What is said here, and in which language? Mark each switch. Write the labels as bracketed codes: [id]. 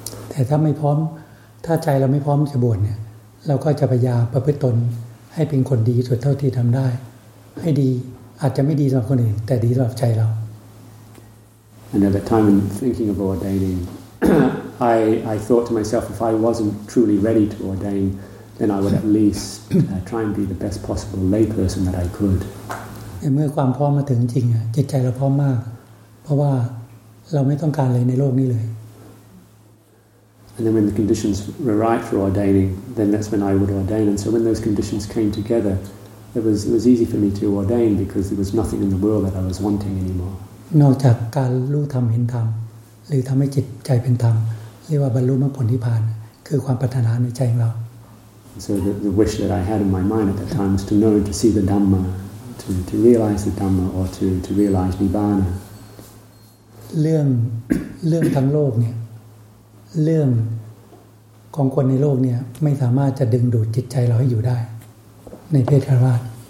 [th] แต่ถ้าไม่พร้อมถ้าใจเราไม่พร้อมจะบวชเนี่ยเราก็จะพยายามประพฤติตนให้เป็นคนดีสุดเท่าที่ทำได้ให้ดีอาจจะไม่ดีสำหรับคนอื่นแต่ดีสำหรับใจเรา [en] And at that time, in thinking of ordaining, I thought to myself, if I wasn't truly ready to ordain, then I would at least try and be the best possible layperson that I could. [th] เมื่อความพร้อมมาถึงจริงอ่ะจิตใจเราพร้อมมากเพราะว่าเราไม่ต้องการอะไรในโลกนี้เลย [en] And then when the conditions were right for ordaining then that's when I would ordain and so when those conditions came together it was easy for me to ordain because there was nothing in the world that I was wanting anymore [th] นอกจากการรู้ธรรมเห็นธรรมหรือทำให้จิตใจเป็นธรรมเรียกว่าบรรลุมรรคผลนิพพานคือความปรารถนาในใจของเรา [en] So the wish that I had in my mind at that time was to know to see the DhammaTo realize the Dhamma or to realize Nibbana. [th] เรื่องทั้งโลกเนี่ยเรื่องของคนในโลกเนี่ยไม่สามารถจะดึงดูดจิตใจเราให้อยู่ได้ในเพศฆราวาส